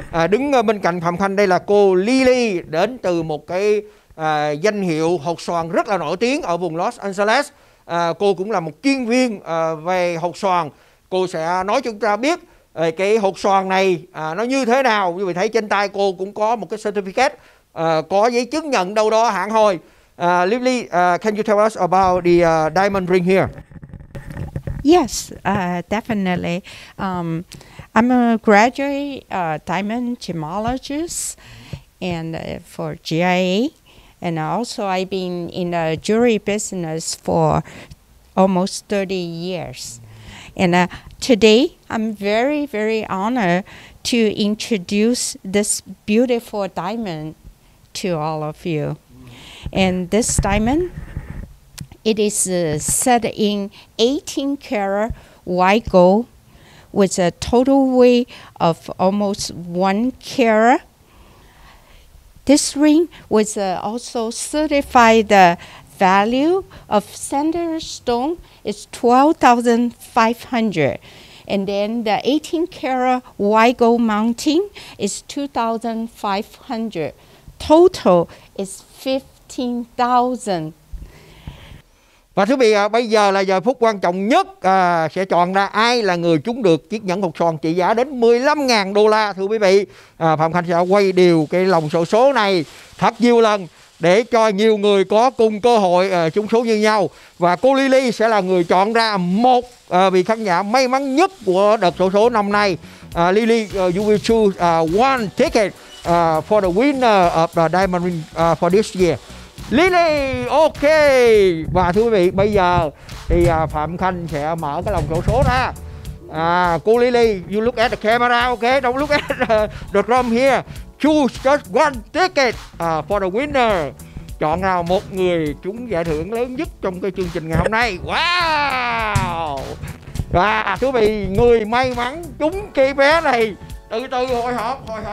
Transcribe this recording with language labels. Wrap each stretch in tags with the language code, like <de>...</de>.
<vi>Đứng bên cạnh Phạm Khanh đây là cô Lily, đến từ một cái danh hiệu hột xoàn rất là nổi tiếng ở vùng Los Angeles. Cô cũng là một chuyên viên về hột xoàn. Cô sẽ nói chúng ta biết cái hột xoàn này nó như thế nào. Quý vị thấy trên tay cô cũng có một cái certificate, có giấy chứng nhận đâu đó hẳn hồi.</vi> <en>Lily, can you tell us about the diamond ring here? Yes, definitely. I'm a graduate diamond gemologist, and for GIA, and also I've been in the jewelry business for almost 30 years. And today I'm very, very honored to introduce this beautiful diamond to all of you. And this diamond, it is set in 18 karat white gold with a total weight of almost 1 carat. This ring was also certified the value of center stone is 12,500. And then the 18 karat white gold mounting is 2,500. Total is 15,000.</en> <vi>Và thưa quý vị, bây giờ là giờ phút quan trọng nhất, sẽ chọn ra ai là người trúng được chiếc nhẫn hột tròn trị giá đến 15.000 đô la. Thưa quý vị, Phạm Khanh sẽ quay đều cái lồng sổ số này thật nhiều lần để cho nhiều người có cùng cơ hội trúng số như nhau. Và cô Lily sẽ là người chọn ra một vị khán giả may mắn nhất của đợt sổ số năm nay.</vi> <en>Lily, you will choose one ticket for the winner of the diamond ring for this year. Lily, ok.</en> <vi>Và thưa quý vị, bây giờ thì Phạm Khanh sẽ mở cái lồng sổ số ra.</vi> <en>Cô Lily, you look at the camera, ok? Don't look at the drum here. Choose just one ticket for the winner.</en> <vi>Chọn nào một người trúng giải thưởng lớn nhất trong cái chương trình ngày hôm nay. Wow. Và thưa quý vị, người may mắn trúng cái vé này. Từ từ, hồi hộp.</vi>